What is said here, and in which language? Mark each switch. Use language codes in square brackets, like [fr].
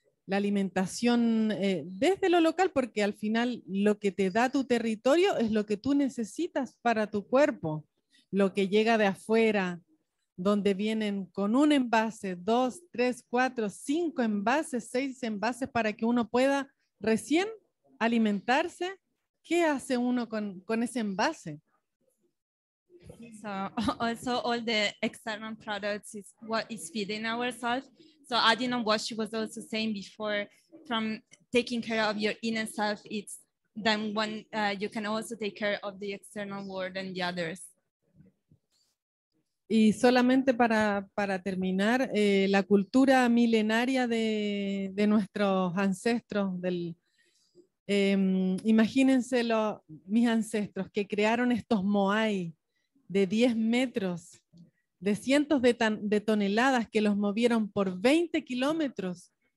[es] la alimentación, desde lo local, porque al final lo que te da tu territorio es lo que tú necesitas para tu cuerpo, lo que llega de afuera, donde vienen con un envase, dos, tres, cuatro, cinco envases, seis envases para que uno pueda recién alimentarse. ¿Qué hace uno con ese envase? [en] So also all the external products is what is feeding ourselves. So adding on what she was also saying before, from taking care of your inner self, it's then when you can also take care of the external world and the others. [es] Y solamente para terminar, la cultura milenaria de nuestros ancestros, imagínense mis ancestros que crearon estos moai de 10 metros, de cientos de toneladas que los movieron por 20 kilómetros.